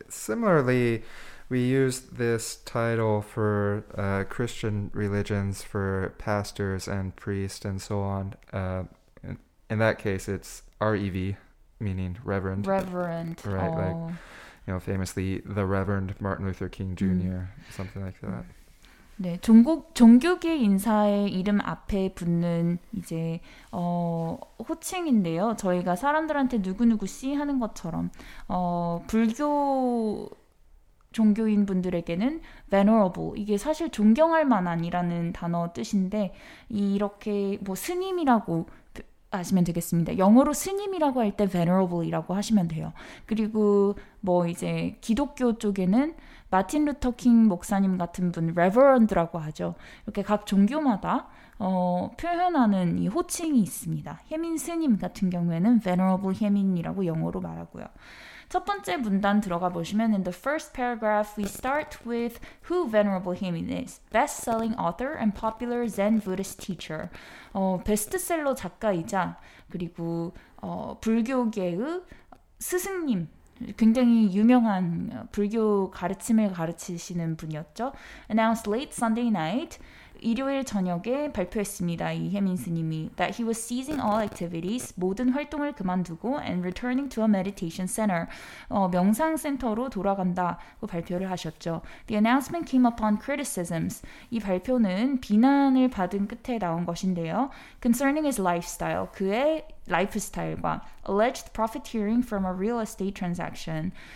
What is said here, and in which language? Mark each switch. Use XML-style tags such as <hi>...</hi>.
<en>Similarly, we use this title for Christian religions, for pastors and priests and so on. In that case, it's R-E-V, meaning Reverend. Reverend. Right, oh. Like, you know, famously, the Reverend Martin Luther King Jr., something like that.</en> <ko>네, 종교계 인사의 이름 앞에 붙는 이제 호칭인데요. 저희가 사람들한테 누구누구 씨 하는 것처럼 불교 종교인 분들에게는 venerable, 이게 사실 존경할 만한이라는 단어 뜻인데 이렇게 뭐 스님이라고 아시면 되겠습니다. 영어로 스님이라고 할 때 venerable이라고 하시면 돼요. 그리고 뭐 이제 기독교 쪽에는 마틴 루터 킹 목사님 같은 분 reverend라고 하죠. 이렇게 각 종교마다 표현하는 이 호칭이 있습니다. 혜민 스님 같은 경우에는 venerable 혜민이라고 영어로 말하고요. 첫 번째 문단 들어가 보시면</ko> <en>in the first paragraph we start with who Venerable Haemin is. Best-selling author and popular Zen Buddhist teacher.</en> <ko>베스트셀러 작가이자 그리고 불교계의 스승님. 굉장히 유명한 불교 가르침을 가르치시는 분이었죠.</ko> <en>Announced late Sunday night.</en> <ko>일요일 저녁에 발표했습니다. 이 혜민스님이</ko> <en>that he was ceasing all activities,</en> <ko>모든 활동을 그만두고</ko> <en>and returning to a meditation center.</en> <ko>명상 센터로 돌아간다고 발표를 하셨죠.</ko> <en>The announcement came upon criticisms.</en> <ko>이 발표는 비난을 받은 끝에 나온 것인데요.</ko> <en>Concerning his lifestyle,</en> <ko>그의</ko> <en>lifestyle과 alleged profiteering from a real estate transaction.</en>